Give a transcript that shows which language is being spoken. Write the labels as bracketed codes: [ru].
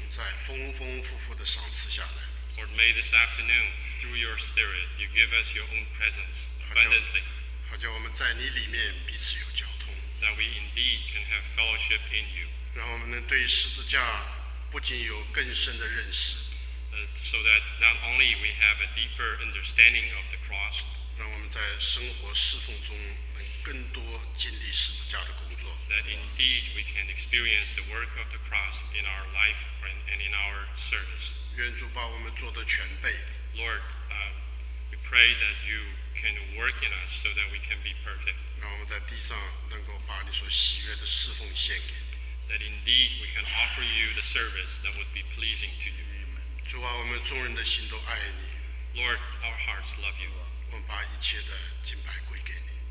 [zh] 你借着你的灵把你的同在丰丰富富地赏赐下来。 [en] Lord, may this afternoon, through your spirit, you give us your own presence abundantly. [zh] 好叫我们在你里面彼此有交通。 [en] That we indeed can have fellowship in you. [zh] 让我们能对十字架不仅有更深的认识。 [en] So that not only we have a deeper understanding of the cross. [zh] 让我们在生活侍奉中能更多经历十字架的工作。 [en] That indeed we can experience the work of the cross in our life and in our service. [zh] 愿主把我们做得全备。 [en] Lord, we pray that you can work in us so that we can be perfect. [zh] 让我们在地上能够把你所喜悦的侍奉献给。 [en] That indeed we can offer you the service that would be pleasing to you. [zh] 主啊，我们众人的心都爱你。 [en] Lord, our hearts love you. [zh] 我们把一切的敬拜归给你。